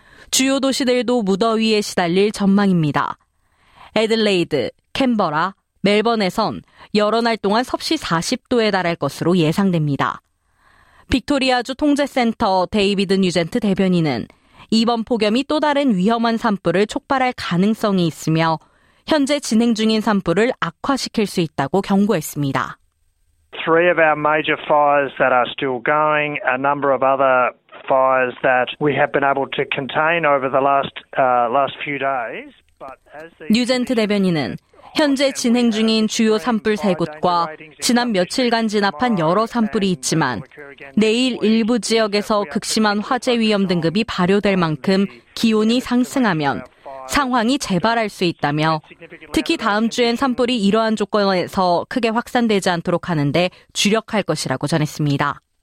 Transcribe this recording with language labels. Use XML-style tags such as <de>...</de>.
<ko>주요 도시들도 무더위에 시달릴 전망입니다. 애들레이드, 캔버라, 멜번에선 여러 날 동안 섭씨 40도에 달할 것으로 예상됩니다. 빅토리아주 통제센터 데이비드 뉴젠트 대변인은 이번 폭염이 또 다른 위험한 산불을 촉발할 가능성이 있으며 현재 진행 중인 산불을 악화시킬 수 있다고 경고했습니다.</ko> <en>Three of our major fires that are still going, a number of other fires that we have been able to contain over the last few days.</en> <ko>뉴젠트 대변인은 현재 진행 중인 주요 산불 세 곳과 지난 며칠간 진압한 여러 산불이 있지만 내일 일부 지역에서 극심한 화재 위험 등급이 발효될 만큼 기온이 상승하면 상황이 재발할 수 있다며 특히 다음 주엔 산불이 이러한 조건에서 크게 확산되지 않도록 하는 데 주력할 것이라고 전했습니다.</ko>